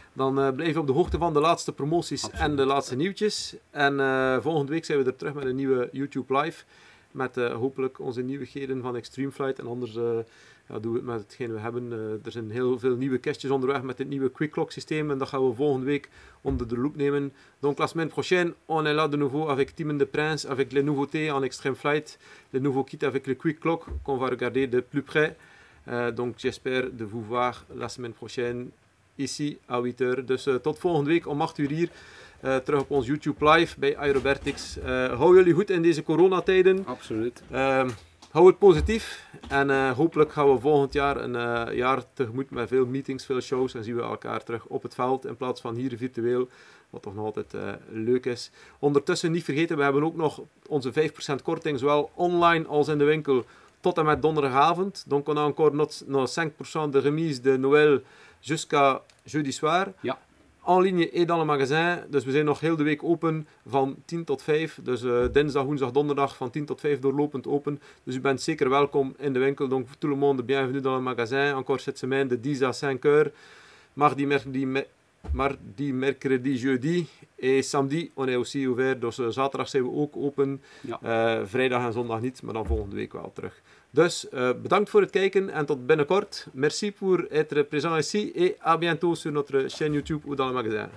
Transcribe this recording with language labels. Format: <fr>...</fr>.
<nl>Dan blijf je op de hoogte van de laatste promoties. Absoluut. En de laatste nieuwtjes. En volgende week zijn we er terug met een nieuwe YouTube Live. Met hopelijk onze nieuwigheden van Extreme Flight. En anders doen we het met hetgeen we hebben. Er zijn heel veel nieuwe kistjes onderweg met dit nieuwe Quick Lock systeem. En dat gaan we volgende week onder de loep nemen.</nl> <fr>Donc la semaine prochaine, on est là de nouveau avec Timon de Prince. Avec les nouveautés en Extreme Flight. Le nouveau kit avec le Quick Lock. Qu'on va regarder de plus près. Donc j'espère de vous voir la semaine prochaine ici à 8h.</fr> <nl>Dus tot volgende week om 8 uur hier. Terug op ons YouTube Live bij Aerobertics. Hou jullie goed in deze coronatijden. Absoluut. Hou het positief. En hopelijk gaan we volgend jaar een jaar tegemoet met veel meetings, veel shows. En zien we elkaar terug op het veld in plaats van hier virtueel. Wat toch nog altijd leuk is. Ondertussen niet vergeten, we hebben ook nog onze 5% korting. Zowel online als in de winkel. Tot en met donderdagavond.</nl> <fr>Donc on a encore nos 5% de remise de Noël jusqu'à jeudi soir.</fr> <nl>Ja.</nl> <fr>En ligne et dans le magasin.</fr> <nl>Dus we zijn nog heel de week open van 10 tot 5. Dus dinsdag, woensdag, donderdag van 10 tot 5 doorlopend open. Dus u bent zeker welkom in de winkel.</nl> <fr>Donc tout le monde, bienvenue dans le magasin. Encore cette semaine de 10 à 5 heures. Maar die mercredi, jeudi et samedi, on est aussi ouvert.</fr> <nl>Dus zaterdag zijn we ook open. Ja. Vrijdag en zondag niet, maar dan volgende week wel terug. Dus bedankt voor het kijken en tot binnenkort. Merci pour être présent ici et à bientôt sur notre chaîne YouTube ou dans le magazine.</nl>